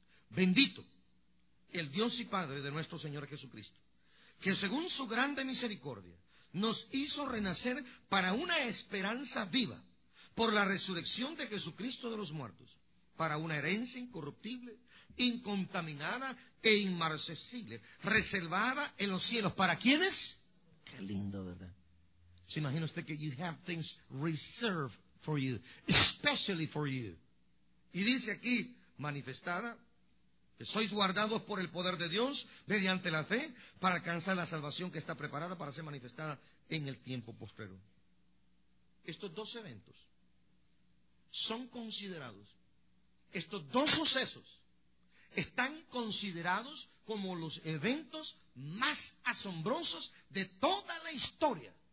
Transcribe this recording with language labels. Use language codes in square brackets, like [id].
[es] Bendito el Dios y Padre de nuestro Señor Jesucristo, que según su grande misericordia nos hizo renacer para una esperanza viva por la resurrección de Jesucristo de los muertos, para una herencia incorruptible, incontaminada e inmarcesible, reservada en los cielos. ¿Para quiénes? Qué lindo, ¿verdad? Se imagina usted que [en] you have things reserved for you, especially for you. [es] Y dice aquí, manifestada, que sois guardados por el poder de Dios mediante la fe para alcanzar la salvación que está preparada para ser manifestada en el tiempo postrero. Estos dos eventos son considerados, estos dos sucesos están considerados como los eventos más asombrosos de toda la historia.